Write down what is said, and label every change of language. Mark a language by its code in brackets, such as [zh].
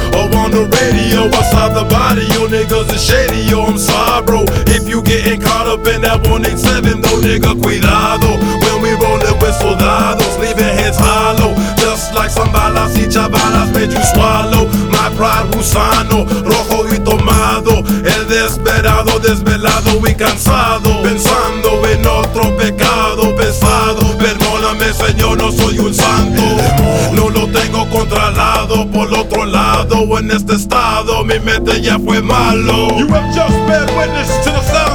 [en] Or on the radio, outside the body. Yo, niggas is shady, yo, I'm sorry, bro. If you getting caught up in that 187, though, nigga, cuidado. When we rollin' with soldados, leaving heads hollow. Just like some [es] balas y chavalas [en] made you swallow. [es] Rusano, rojo y tomado. El desesperado, desvelado y cansado. Pensando en otro pecado pesado. Perdóname, señor, no soy un santo. No lo tengo controlado. Por el otro lado, en este estado, mi mente ya fue malo. [en] You have just been witness to the